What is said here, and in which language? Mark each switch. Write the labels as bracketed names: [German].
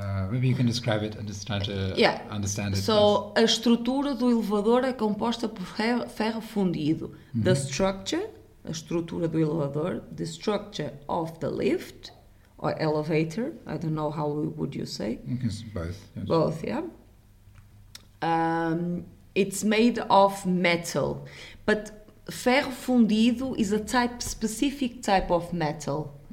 [English] Maybe you can describe it and just try to understand it. [Portuguese] So, a estrutura do elevador é composta por ferro fundido. Mm-hmm. [English] The structure, [Portuguese] a estrutura do elevador, [English] the structure of the lift, or elevator, I don't know how would you say. Both, yeah. It's made of metal, but ferro fundido is a specific type of metal.